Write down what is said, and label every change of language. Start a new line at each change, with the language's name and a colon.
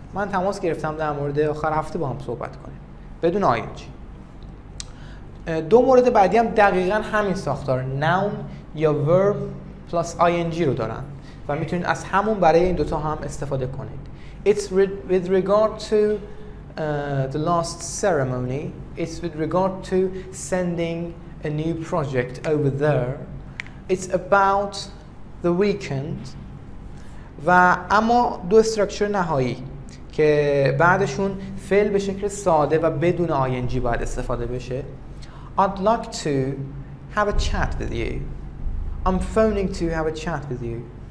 Persian: من تماس گرفتم در مورد آخر هفته با هم صحبت کنیم. بدون ing. دو مورد بعدی هم دقیقا همین ساختار noun یا
English: verb plus ing
Persian: رو دارن. و میتونید از همون برای این دوتا هم استفاده کنید.
English: It's with regard to the last ceremony. It's with regard to sending a new project over there. It's about the weekend.
Persian: و اما دو استرکچر نهایی که بعدشون فعل به شکل ساده و بدون ing باید استفاده بشه.
English: I'd like to have a chat with you. I'm phoning to have a chat with you.